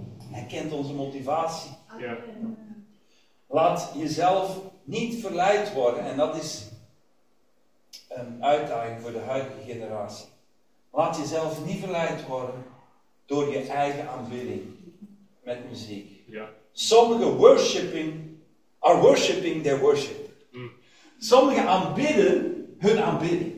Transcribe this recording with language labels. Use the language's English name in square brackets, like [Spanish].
[Dutch] Hij kent onze motivatie. Yeah. Laat jezelf niet verleid worden. En dat is een uitdaging voor de huidige generatie. Laat jezelf niet verleid worden door je eigen aanbidding met muziek. Ja. Sommigen [English] worshipping are worshipping their worship. [Dutch] Sommigen aanbidden hun aanbidding.